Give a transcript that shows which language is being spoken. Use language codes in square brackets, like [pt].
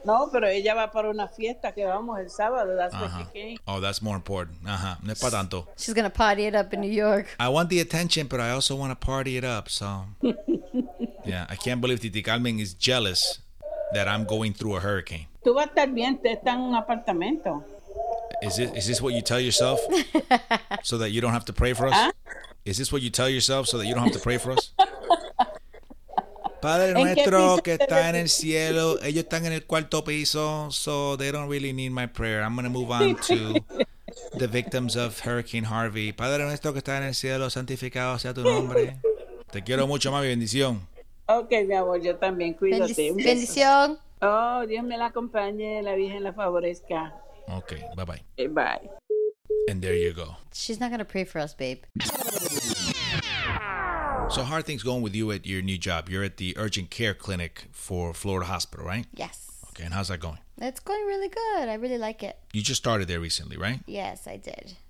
[es] No, pero ella va para una fiesta que vamos el sábado. [en] That's what she came. Oh, that's more important. [es] Ajá. No es para tanto. [en] She's going to party it up in New York. I want the attention, but I also want to party it up, so. Yeah, I can't believe Titi Carmen is jealous that I'm going through a hurricane. [es] Tú vas a estar bien, te está en un apartamento. [en] Is this what you tell yourself so that you don't have to pray for us? Huh? Is this what you tell yourself so that you don't have to pray for us? [es] Padre nuestro que está en el cielo, ellos están en el cuarto piso, [en] so they don't really need my prayer. I'm going to move on to the victims of Hurricane Harvey. [es] Padre nuestro que está en el cielo, santificado sea tu nombre. Te quiero mucho, mami. Bendición. Okay, mi amor, yo también. Cuídate. Bendición. Oh, Dios me la acompañe, la Virgen la favorezca. [en] Okay, bye-bye. Hey, bye. And there you go. She's not going to pray for us, babe. So how are things going with you at your new job? You're at the urgent care clinic for Florida Hospital, right? Yes. Okay, and how's that going? It's going really good. I really like it. You just started there recently, right? Yes, I did.